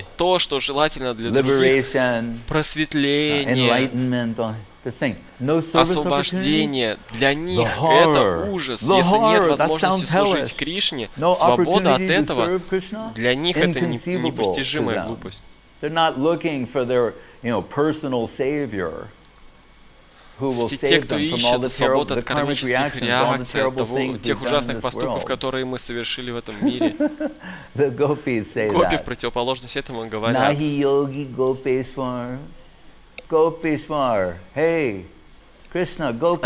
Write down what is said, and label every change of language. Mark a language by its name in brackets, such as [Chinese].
[Russian] То, что желательно для других. Просветление. [English] Enlightenment. The thing. No service opportunity. [Russian] Освобождение. Для них это ужас. Если нет возможности служить Кришне, свобода от этого для них это непостижимая глупость. [English] They're not looking for their, you know, personal savior. [Russian] Все те, кто ищет свободу от кармических реакций, от того, тех ужасных поступков, которые мы совершили в этом мире. Гопи в противоположность этому говорят. Нахи йоги гопишвар. Гопишвар. Эй, Кришна, гопи.